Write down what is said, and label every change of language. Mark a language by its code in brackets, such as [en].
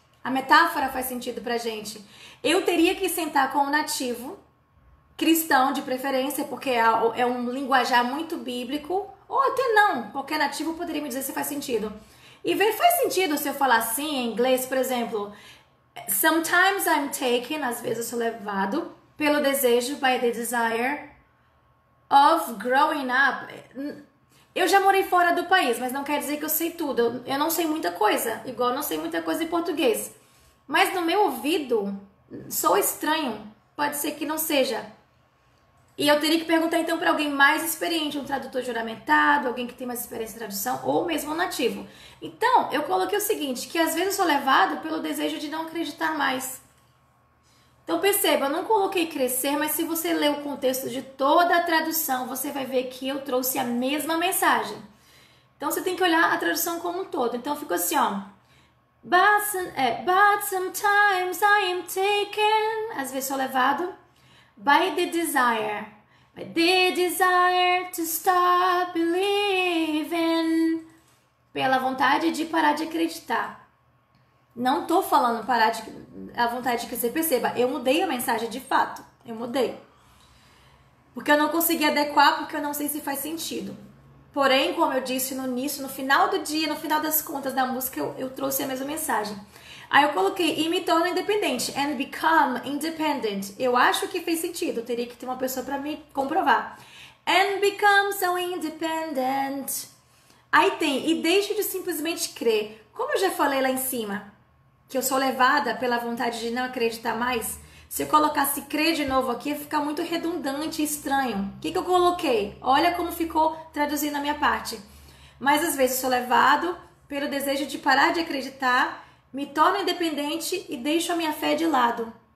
[pt] A metáfora faz sentido pra gente. Eu teria que sentar com um nativo, cristão de preferência, porque é um linguajar muito bíblico, ou até não, qualquer nativo poderia me dizer se faz sentido. E ver, faz sentido se eu falar assim em inglês, por exemplo, [en] sometimes I'm taken, [pt] às vezes eu sou levado, Pelo Desejo, [en] by The Desire. Of Growing Up. [pt] Eu já morei fora do país, mas não quer dizer que eu sei tudo. Eu não sei muita coisa, igual eu não sei muita coisa em português. Mas no meu ouvido, soa estranho. Pode ser que não seja. E eu teria que perguntar então para alguém mais experiente, um tradutor juramentado, alguém que tem mais experiência em tradução, ou mesmo um nativo. Então, eu coloquei o seguinte, que às vezes eu sou levado pelo desejo de não acreditar mais. Então perceba, eu não coloquei crescer, mas se você ler o contexto de toda a tradução, você vai ver que eu trouxe a mesma mensagem. Então você tem que olhar a tradução como um todo. Então ficou assim, ó. [en] But sometimes I am taken, [pt] às vezes sou levado, [en] by the desire. By the desire to stop believing. [pt] Pela vontade de parar de acreditar. Não tô falando parar de. A vontade que você perceba. Eu mudei a mensagem de fato. Eu mudei. Porque eu não consegui adequar, porque eu não sei se faz sentido. Porém, como eu disse no início, no final do dia, no final das contas da música, eu trouxe a mesma mensagem. Aí eu coloquei e me torno independente. [en] And become independent. [pt] Eu acho que fez sentido. Eu teria que ter uma pessoa para me comprovar. [en] And become so independent. [pt] Aí tem. E deixe de simplesmente crer. Como eu já falei lá em cima. Que eu sou levada pela vontade de não acreditar mais. Se eu colocasse crer de novo aqui, ia ficar muito redundante e estranho. O que que eu coloquei? Olha como ficou traduzindo a minha parte. Mas às vezes sou levado pelo desejo de parar de acreditar, me torno independente e deixo a minha fé de lado.